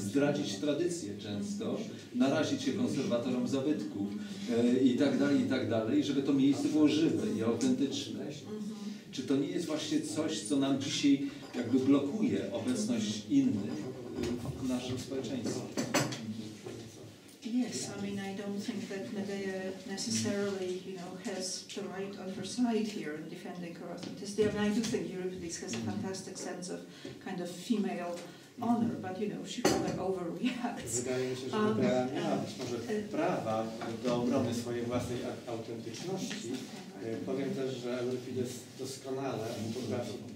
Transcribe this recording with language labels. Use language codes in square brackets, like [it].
[pl] Zdradzić tradycje często, narazić się konserwatorom zabytków i tak dalej, żeby to miejsce było żywe i autentyczne. Czy to nie jest właśnie coś, co nam dzisiaj jakby blokuje obecność innych w naszym społeczeństwie? [en] Yes, I mean, I don't think that Medea necessarily, you know, has the right on her side here in defending her authenticity. I mean, I do think Euripides has a fantastic sense of kind of female honor, but, you know, she probably overreacts. [pl] Wydaje mi się, że Medea miała być może prawa do obrony swojej własnej autentyczności. Powiem też, że Euripides doskonale potrafi.